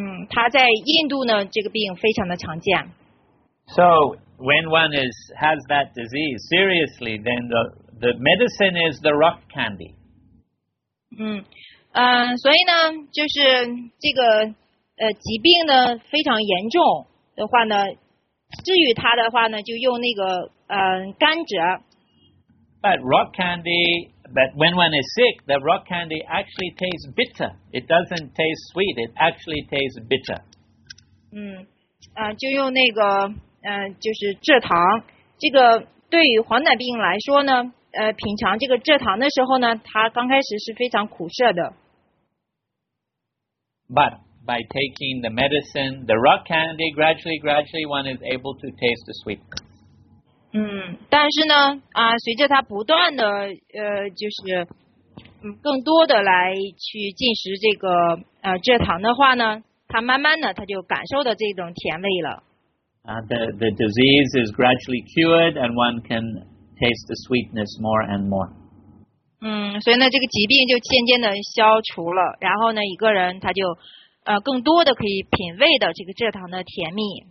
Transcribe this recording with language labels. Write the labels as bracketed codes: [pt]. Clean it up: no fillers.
[zh] 它在印度呢，这个病非常的常见。 [en] So when one has that disease seriously, then the medicine is the rock candy. [zh] 所以呢，就是这个疾病呢非常严重的话呢，治愈它的话呢，就用那个甘蔗。 [en] But rock candy, but when one is sick, the rock candy actually tastes bitter. It doesn't taste sweet. It actually tastes bitter. [zh] 就用那个就是蔗糖。这个对于黄疸病来说呢，品尝这个蔗糖的时候呢，它刚开始是非常苦涩的。 [en] But by taking the medicine, the rock candy, gradually one is able to taste the sweetness. [zh] 但是呢，随着他不断的，就是，更多的来去进食这个蔗糖的话呢，他慢慢的他就感受到这种甜味了。 [en] The disease is gradually cured, and one can taste the sweetness more and more. [zh] 所以呢，这个疾病就渐渐的消除了，然后呢，一个人他就更多的可以品味到这个蔗糖的甜蜜。